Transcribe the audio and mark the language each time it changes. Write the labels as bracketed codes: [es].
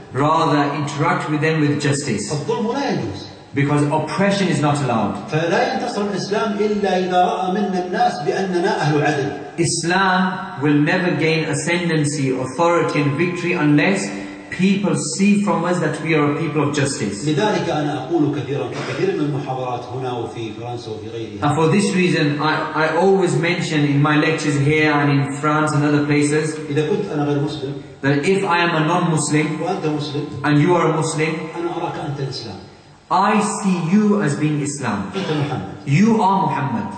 [en] Rather interact with them with justice. [ar] الظلم لا يجوز. [en] Because oppression is not allowed. [ar] فَلَا يَنْتَصْرُ الْإِسْلَامِ إِلَّا إِذَا رَأَ مِنَّ النَّاسِ بِأَنَّنَا أَهْلُ عَدْلٍ. [en] Islam will never gain ascendancy, authority and victory unless people see from us that we are a people of justice. [ar] لذلك أنا أقول كثيراً في كثير من المحاضرات هنا وفي فرنسا وفي غيرها. [en] And for this reason, I always mention in my lectures here and in France and other places. [ar] إذا كنت أنا غير مسلم. [en] That if I am a non-Muslim. [ar] وأنت مسلم. [en] And you are a Muslim. [ar] أنا أراك أنت إسلام. [en] I see you as being Islam. [ar] أنت محمد. [en] You are Muhammad.